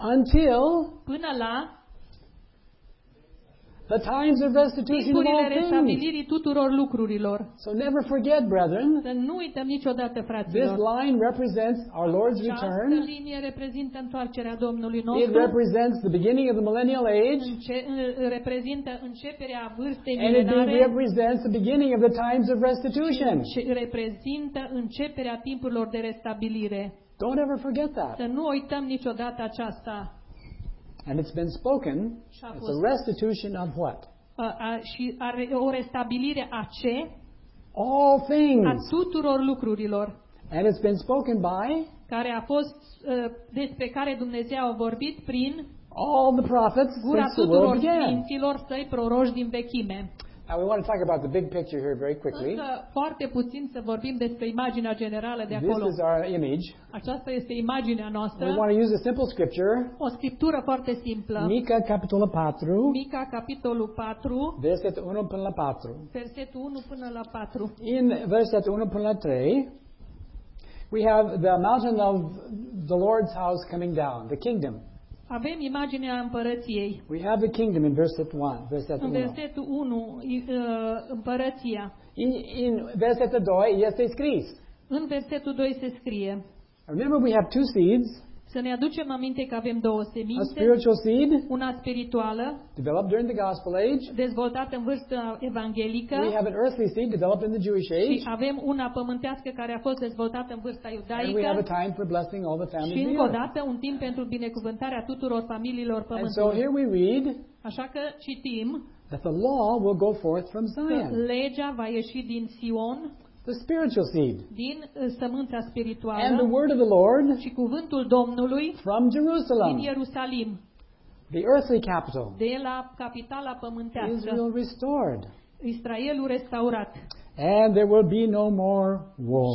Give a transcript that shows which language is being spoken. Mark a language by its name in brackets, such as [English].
[English] until [Romanian] până la [English] the times of restitution of all things. So never forget, brethren, [Romanian] să nu uităm niciodată, fraților, [English] this line represents our Lord's return. [Romanian] Linie reprezintă întoarcerea Domnului nostru. [English] It represents the beginning of the millennial age. [Romanian] Reprezintă începerea vârstei milenare. [English] And it represents the beginning of the times of restitution. [Romanian] Reprezintă începerea timpurilor de restabilire. [English] Don't ever forget that. [Romanian] Să nu uităm niciodată aceasta. [English] And it's been spoken. It's a restitution of what? [Romanian] Și are o restabilire a ce? [English] All things. [Romanian] A tuturor lucrurilor. [English] And it's been spoken by? [Romanian] Care a fost despre care Dumnezeu a vorbit prin? [English] All the prophets. [Romanian] Gura tuturor sfinților săi proroși din vechime. [English] Now we want to talk about the big picture here very quickly. [Romanian] Foarte puțin să vorbim despre imaginea generală de acolo. [English] This is our image. [Romanian] Aceasta este imaginea noastră. [English] We want to use a simple scripture. [Romanian] O scriptură foarte simplă. Mica, capitolul 4. Mica, capitolul 4. Versetul 1 până la 4. Versetul 1 până la 4. In versetul 1 până la 3. [English] We have the mountain of the Lord's house coming down, the kingdom. [Romanian] Avem imaginea împărăției. [English] We have the kingdom in verse 1. Versetul [Romanian] 1, împărăția. In versetul 2 este scris. În versetul 2 se scrie. [English] Remember, we have two seeds. [Romanian] Să ne aducem aminte că avem două semințe. [English] A spiritual seed. [Romanian] Una spirituală. [English] Developed during the gospel age. [Romanian] Dezvoltată în vârsta evanghelică. [English] We have an earthly seed developed in the Jewish age. [Romanian] Și avem una pământească care a fost dezvoltată în vârsta iudaică. [English] And we have a time for blessing all the families. [Romanian] Și încă o dată un timp pentru binecuvântarea tuturor familiilor pământului. [English] And so here we read. [Romanian] Așa că citim. [English] That the law will go forth from Zion. [Romanian] Legea va ieși din Sion. [English] The spiritual seed. [Romanian] Din sămânța spirituală. [English] And the word of the Lord. [Romanian] Și cuvântul Domnului. [English] From Jerusalem. [Romanian] Din Ierusalim. [English] The earthly capital. [Romanian] De la capitala pământească. [English] Israel restored. [Romanian] Israelul restaurat. [English] And there will be no more war.